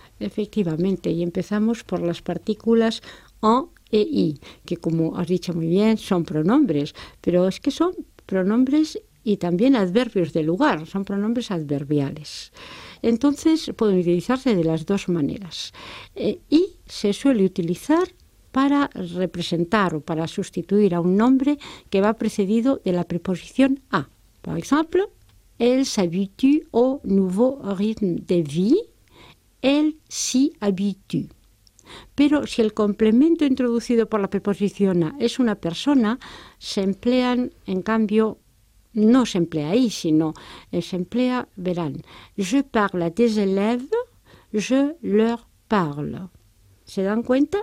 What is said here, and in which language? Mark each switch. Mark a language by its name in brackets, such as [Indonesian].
[Spanish] Efectivamente, y empezamos por las partículas en e i, que como has dicho muy bien, son pronombres, pero es que son pronombres y también adverbios de lugar, son pronombres adverbiales. Entonces, pueden utilizarse de las dos maneras. I se suele utilizar para representar o para sustituir a un nombre que va precedido de la preposición a. Por ejemplo, [French] elle s'habitue au nouveau rythme de vie, elle s'y habitue. [Spanish] Pero si el complemento introducido por la preposición a es una persona, se emplean, en cambio, no se emplea ahí, sino se emplea, verán, [French] je parle à tes élèves, je leur parle. [Spanish] ¿Se dan cuenta?